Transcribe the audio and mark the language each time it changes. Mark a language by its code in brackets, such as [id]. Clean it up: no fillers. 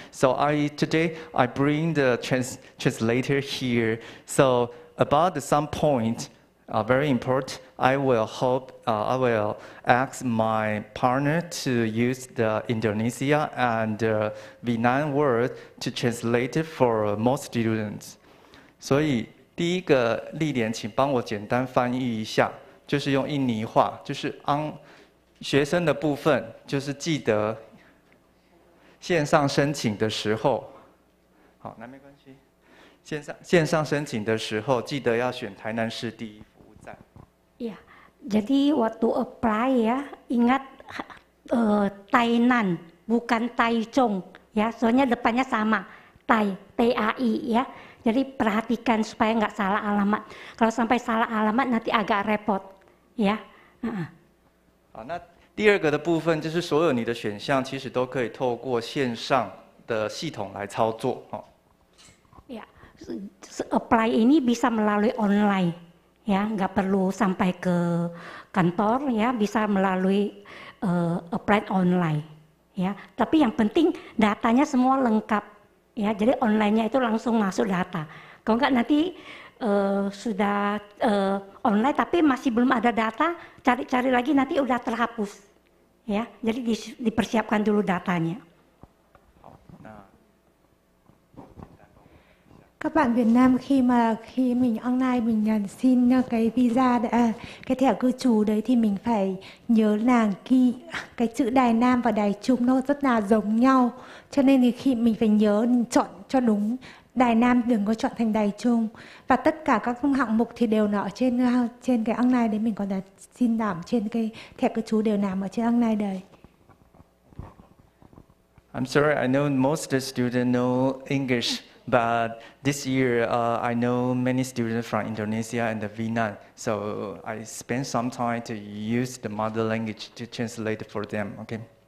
[en] So today I bring the translator here. So about some point, very important, I will ask my partner to use the Indonesia and Vietnam word to translate it for most students. [zh] 所以第一个例点，请帮我简单翻译一下，就是用印尼话，就是学生的部分，就是记得线上申请的时候，好，那没关系，线上申请的时候，记得要选台南市第一服务站。 [id] Yeah. Jadi waktu apply ya, ingat Tainan, bukan Taichung ya, soalnya depannya sama, Tai, T-A-I ya. Jadi perhatikan supaya enggak salah alamat. Kalau sampai salah alamat nanti agak repot ya. [zh] Nah, 那第二个的部分就是所有你的选项其实都可以透过线上的系统来操作。 [id] Ya, apply ini bisa melalui online.Ya, enggak perlu sampai ke kantor ya, bisa melalui apply online. Ya, tapi yang penting datanya semua lengkap. Ya, jadi onlinenya itu langsung masuk data. Kalau enggak nanti sudah online tapi masih belum ada data, cari-cari lagi nanti udah terhapus. Ya, jadi dipersiapkan dulu datanya. [vi] Các bạn Việt Nam khi mình online mình xin cái visa cái thẻ cư trú đấy thì mình phải nhớ là ghi cái chữ Đài Nam và Đài Trung nó rất là giống nhau, cho nên thì khi mình phải nhớ chọn cho đúng Đài Nam, đừng có chọn thành Đài Trung, và tất cả các hạng mục thì đều nằm ở trên cái online đấy, mình còn là xin làm trên cái thẻ cư trú đều nằm ở trên online đấy. [en] I'm sorry, I know most of the students know English. But this year, I know many students from Indonesia and Vietnam, so I spent some time to use the mother language to translate for them, okay?